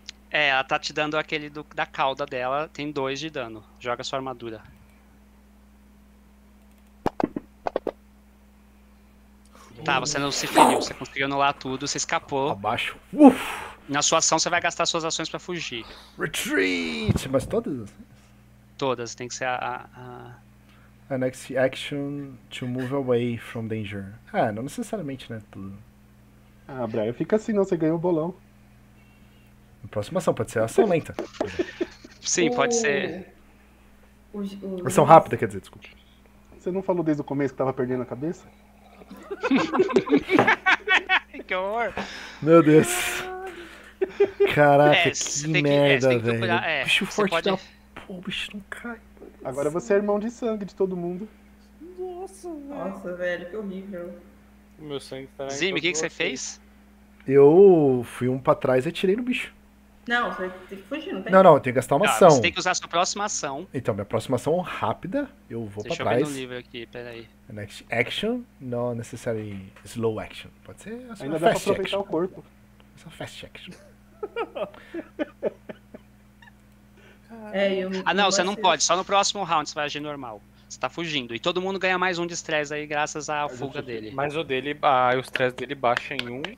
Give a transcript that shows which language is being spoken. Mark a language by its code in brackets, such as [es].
[pt] É, ela tá te dando aquele da cauda dela, tem 2 de dano. Joga sua armadura. Tá, você não se feriu, você conseguiu anular tudo, você escapou. Abaixo. Na sua ação, você vai gastar suas ações pra fugir. Retreat! Mas todas? Todas, tem que ser a [en] next action to move away from danger. [pt] Ah, não necessariamente, né? Tudo. Ah, Brian, fica assim, não, você ganhou o bolão. Na próxima ação, pode ser a ação lenta. Sim, pode ser. Ação rápida, quer dizer, desculpa. Você não falou desde o começo que tava perdendo a cabeça? Que horror! Meu Deus! Caraca, que merda, velho. Bicho forte da... Pô, bicho não cai. Agora você é irmão de sangue de todo mundo. Nossa, velho, que horrível. Meu sangue tá... Zimi, o que você fez? Eu fui um pra trás e atirei no bicho. Não, você tem que fugir, não tem. Não, eu tenho que gastar uma ação. Você tem que usar a sua próxima ação. Então, minha próxima ação rápida, eu vou pra trás. Deixa eu ver no livro aqui, peraí. [en] Next action, not necessary slow action. [pt] Pode ser a sua ainda fast action. Ainda dá pra aproveitar action. O corpo. Essa fast action. Não, você não pode. Só no próximo round você vai agir normal. Você tá fugindo. E todo mundo ganha mais um de estresse aí, graças à fuga dele. Mas o dele, o estresse dele baixa em 1.